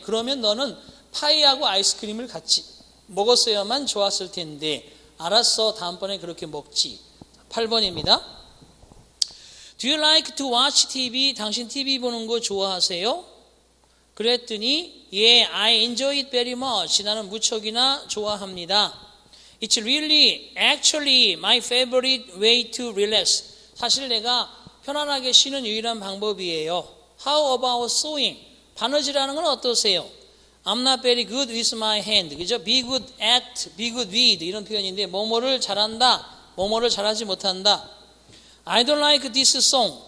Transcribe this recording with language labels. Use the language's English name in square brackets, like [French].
[Korean] 그러면 너는 파이하고 아이스크림을 같이 먹었어야만 좋았을 텐데 알았어. 다음번에 그렇게 먹지. 8번입니다. [English] Do you like to watch TV? [Korean] 당신 TV 보는 거 좋아하세요? 그랬더니 예, [English] yeah, I enjoy it very much. [Korean] 나는 무척이나 좋아합니다. [English] It's really, actually my favorite way to relax. [Korean] 사실 내가 편안하게 쉬는 유일한 방법이에요. [English] How about sewing? [Korean] 바느질하는 건 어떠세요? [English] I'm not very good with my hand. 그죠? Be good at, be good with [Korean] 이런 표현인데 뭐뭐를 잘한다, 뭐뭐를 잘하지 못한다. [English] I don't like this song.